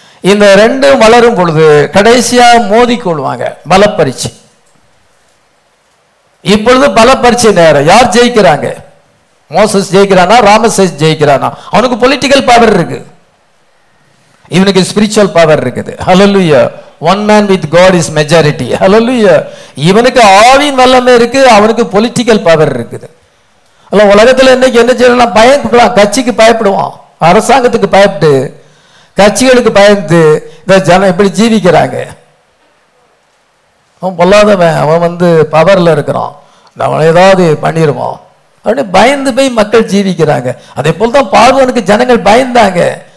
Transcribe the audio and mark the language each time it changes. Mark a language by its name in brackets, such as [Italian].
[Tamil] இந்த ரெண்டும் வளரும் பொழுது கடைசியாக மோதிக்கொள்வாங்க, பல பரீட்சை. இப்பொழுது பல பரீட்சை நேரம், யார் ஜெயிக்கிறாங்க? மோசஸ் ஜெயிக்கிறானா, ராமசேஸ் ஜெயிக்கிறானா? அவனுக்கு பொலிட்டிக்கல் பவர் இருக்கு, இவனுக்கு ஸ்பிரிச்சுவல் பவர் இருக்குது. [English] Hallelujah, one man with God is majority. Hallelujah. [Tamil] இவனுக்கு ஆவியின் வல்லமை இருக்கு, அவனுக்கு பொலிட்டிக்கல் பவர் இருக்குது. உலகத்தில் என்ன செய்யணும், பயப்படலாம், கட்சிக்கு பயப்படுவான், அரசாங்கத்துக்கு பயப்பட்டு, கட்சிகளுக்கு பயந்து இந்த ஜனம் எப்படி ஜீவிக்கிறாங்க. அவன் பொல்லாதவன், அவன் வந்து பவர்ல இருக்கிறான், அவன் ஏதாவது பண்ணிடுவான் அப்படின்னு பயந்து போய் மக்கள் ஜீவிக்கிறாங்க. அதே போல தான் பார்வனுக்கு ஜனங்கள் பயந்தாங்க,